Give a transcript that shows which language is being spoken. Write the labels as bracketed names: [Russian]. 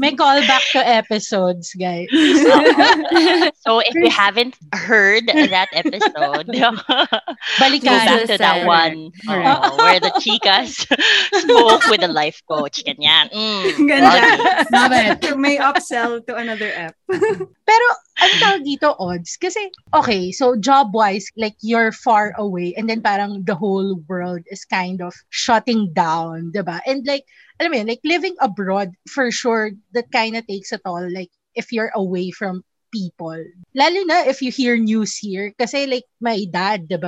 [English] May callback to episodes, guys. So if you haven't heard that episode, [Filipino] balikan. [English] Go back to that one. Oh, where the chicas spoke with a life coach. [Filipino] Ganyan. [English] Love it. You may upsell to another app. [Filipino] Pero, ang tawag dito, odds? [English] Kasi, okay, so job-wise, like, you're far away and then [Filipino] parang [English] the whole world is kind of shutting down, [Filipino] diba? [English] And like, [Filipino] alam mo yun, [English] like, living abroad, for sure, that kind of takes a toll, like, if you're away from people. [Filipino] Lalo na [English] if you hear news here, kasi like, my dad, [Filipino] diba?